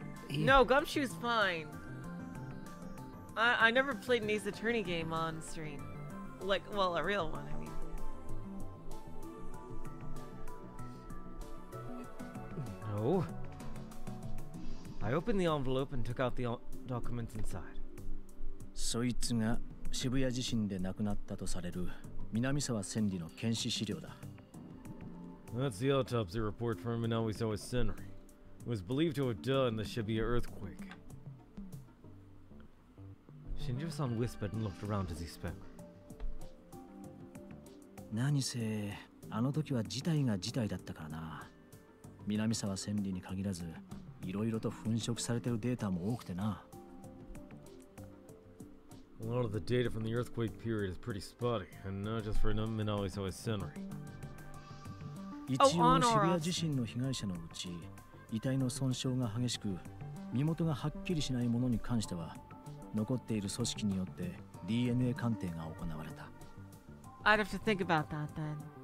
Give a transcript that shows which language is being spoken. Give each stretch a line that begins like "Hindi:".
English: No, Gumshoe's fine. I never played an Ace Attorney game on stream. Like, well, a real one, I mean. No. I opened the envelope and took out the documents inside.
Japanese: そいつが渋谷地震で亡くなったとされる南沢千里の検視資料だ。
English: That's the autopsy report from Minamisawa Senri. Was believed to have died in the Shibuya earthquake. Shinjo-san whispered and looked around as he spoke.
Japanese: 何せ、あの時は事態が事態だったからな。南沢千里に限らず、いろいろと粉飾されてるデータも多くてな。
English: A lot of the data from the earthquake period is pretty spotty, and not just for Minamisawa Senri.
Japanese: 一応、渋谷地震の被害者のうち、遺体の損傷が激しく、身元がはっきりしないものに関しては、残っている組織によって DNA 鑑定が行われた。
English: I'd have to think about that then.